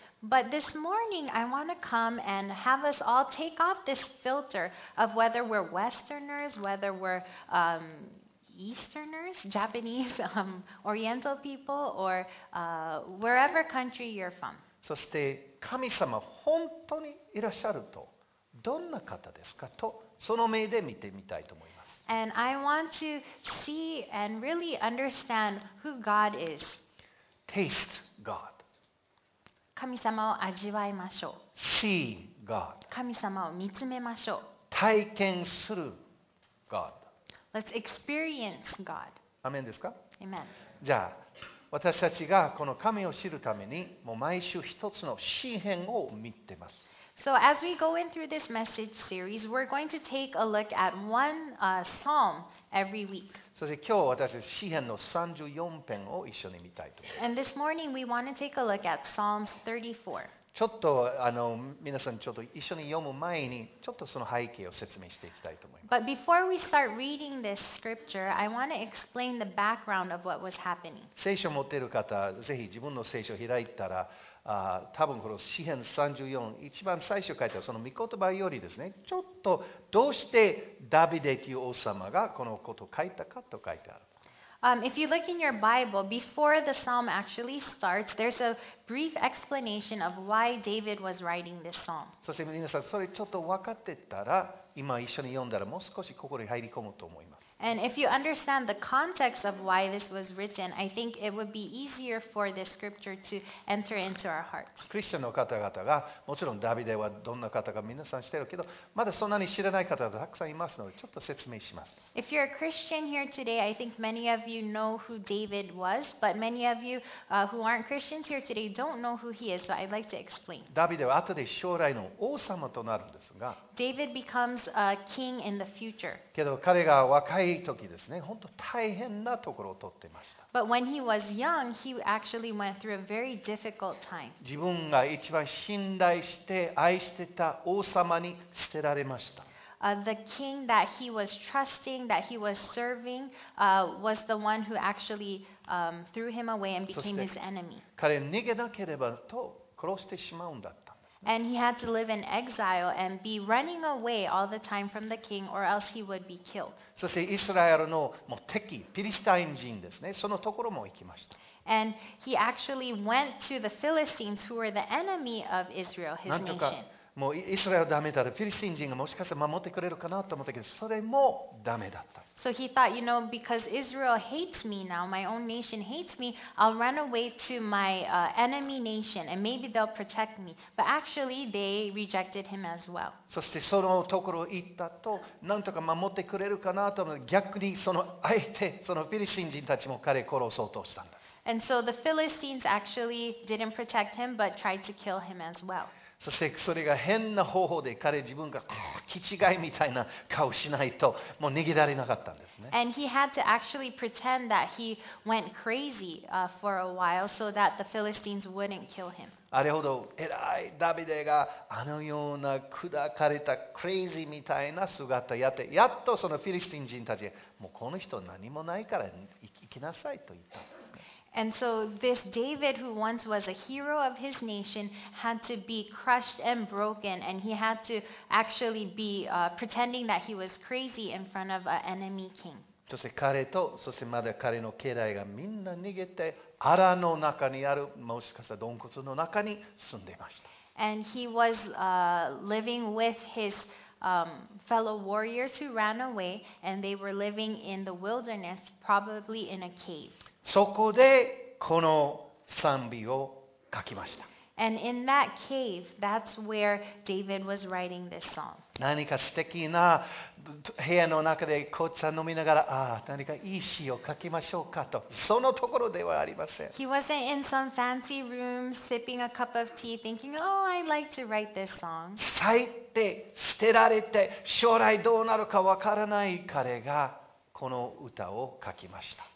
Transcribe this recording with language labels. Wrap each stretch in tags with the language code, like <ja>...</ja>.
<en>But this morning I want to come and have us all take off this filter of whether we're Westerners, whether we're Easterners, Japanese, Oriental people, or wherever country you're from.</en> <ja>そして神様本当にいらっしゃるとどんな方ですかとその目で見てみたいと思います。</ja> <en>And I want to see and really understand who God is. Taste God.</en> <ja>神様を味わいましょう。</ja> <en>See God.</en> <ja>神様を見つめましょう。体験する God.</ja> <en>Let's experience God.</en> <ja>アメンですか？</ja> <en>Amen.</en> <ja>じゃあ私たちがこの神を知るためにもう毎週一つの詩編を見てます。</ja> <en>So as we go in through this message series, we're going to take a look at one psalm every week.</en> <ja>そして今日私詩編の34編を一緒に見たいと思います。</ja> <en>And this morning we want to take a look at Psalms 34.</en> <ja>ちょっと皆さんちょっと一緒に読む前にちょっとその背景を説明していきたいと思います。</ja> <en>But before we start reading this scripture, I want to explain the background of what was happening.</en> <ja>聖書持っている方、ぜひ自分の聖書を開いたら、多分この詩編34、一番最初書いたその御言葉よりですね、ちょっとどうしてダビデという王様がこのことを書いたかと書いてある。</ja> <en>If you look in your Bible, before the psalm actually starts, there's a brief explanation of why David was writing this psalm.</en> <ja>そして皆さん、それちょっと分かってたら、今一緒に読んだらもう少し心に入り込むと思います。</ja> <en>And if you understand the context of why this was written, I think it would be easier for this scripture to enter into our hearts.</en> <ja>クリスチャンの方々が、もちろんダビデはどんな方か皆さん知ってるけど、まだそんなに知らない方がたくさんいますので、ちょっと説明します。</ja> <en>If you're a Christian here today, I think many of you know who David was, but many of you who aren't Christians here today don't know who he is, so I'd like to explain.</en> <ja>ダビデは後で将来の王様となるんですが、</ja> <en>David becomes a king in the future.</en> <ja>けど彼が若い時ですね、本当大変なところを通っていました。</ja> <en>But when he was young, he actually went through a very difficult time.</en> <ja>自分が一番信頼して愛してた王様に捨てられました。</ja> <en>The king that he was trusting, that he was serving, was the one who actually threw him away and became his enemy.</en> <ja>彼は逃げなければと殺してしまうんだった。</ja> <en>And he had to live in exile and be running away all the time from the king, or else he would be killed.</en> <ja>そしてイスラエルのもう敵、ピリシタイン人ですね。そのところも行きました。</ja> <en>And he actually went to the Philistines, who were the enemy of Israel, his nation.</en> <ja>なんとかもうイスラエルダメだったら、ピリシタイン人がもしかしたら守ってくれるかなと思ったけど、それもダメだった。</ja> <en>So he thought, you know, because Israel hates me now, my own nation hates me, I'll run away to my enemy nation and maybe they'll protect me. But actually, they rejected him as well.</en> <ja>そしてそのところ行ったと、なんとか守ってくれるかなと思って、逆にその相手、そのフィリシン人たちも彼を殺そうとしたんです。</ja> <en>And so the Philistines actually didn't protect him, but tried to kill him as well.</en> <ja>そしてそれが変な方法で彼自分が気違いみたいな顔しないともう逃げられなかったんですね。</ja> <en>And he had to actually pretend that he went crazy for a while so that the Philistines wouldn't kill him.</en> <ja>あれほど偉いダビデがあのような砕かれたクレイジーみたいな姿やってやっとそのフィリシティン人たちもうこの人何もないから行きなさいと言った。</ja> <en>And so this David, who once was a hero of his nation, had to be crushed and broken, and he had to actually be pretending that he was crazy in front of an enemy king.</en> <ja>そして彼と、そしてまだ彼の家来がみんな逃げて、荒の中にある、もしかしたら洞窟の中に住んでいました。</ja> <en>And he was living with his fellow warriors who ran away, and they were living in the wilderness, probably in a cave.</en> <ja>そこでこの賛美を書きました。</ja> <en>And in that cave, that's where David was writing this song.</en> <ja>何か素敵な部屋の中で紅茶飲みながら、ああ、何かいい詩を書きましょうかと、そのところではありません。</ja> <en>He wasn't in some fancy room sipping a cup of tea thinking, oh, I'd like to write this song.</en> <ja>咲いて、捨てられて、将来どうなるかわからない彼がこの歌を書きました。</ja>